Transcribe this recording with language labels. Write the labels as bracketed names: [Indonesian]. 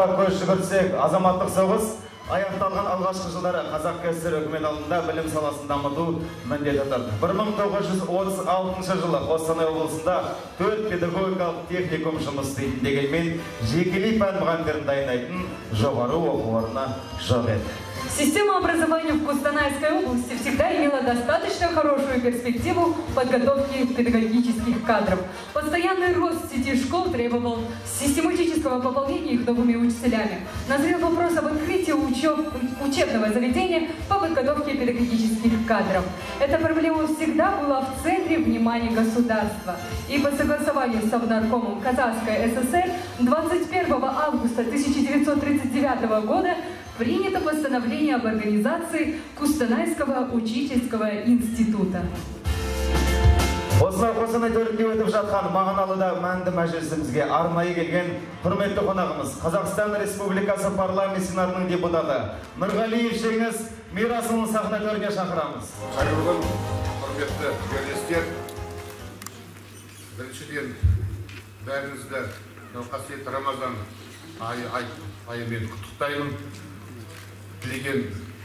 [Kazakh] жүгірсек, азаматтық соғыс аяқталған алғашқы жылдары қазақ кср үкімет алдында білім саласын дамыту міндеті тұр. 1936 жылы Қостанай облысында 4 педагогикалық техникум жұмыс істейді, дегенмен жекелей пән мұғалімдерін дайындайтын жоғары оқу орны жоқ еді. [Russian] Система образования в Кустанайской области всегда имела достаточно хорошую перспективу подготовки педагогических кадров. Постоянный рост сети школ требовал систематического пополнения их новыми учителями. Назрел вопрос об открытии учебного заведения по подготовке педагогических кадров. Эта проблема всегда была в центре внимания государства. И по согласованию с Совнаркомом Казахской ССР 21 августа 1939 года принято постановление об организации Кустанайского учительского института. [Kazakh] Осылай Қостанай төрінде өтіп жатқан мағыналыда мәнді мәжілісімізге арнайы келген құрметті қонағымыз, Қазақстан Республикасы парламент сенатының депутаты Нұрғалиев жеңіс мирасын сахна төріне шақырамыз. Қайырлы күн, құрметті жерлестер. Біріншіден бәріңізді қасиетті Рамазан айымен құттықтаймын.